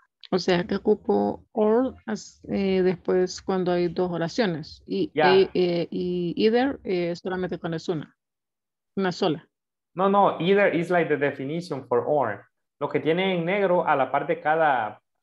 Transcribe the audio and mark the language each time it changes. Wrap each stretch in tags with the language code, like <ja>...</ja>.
<es>O sea, que ocupo or después cuando hay dos oraciones. Y, yeah. Y either solamente cuando es una sola.</es> <en>No, no, either is like the definition for or.</en> <es>Lo que tiene en negro a la par de cada...</es>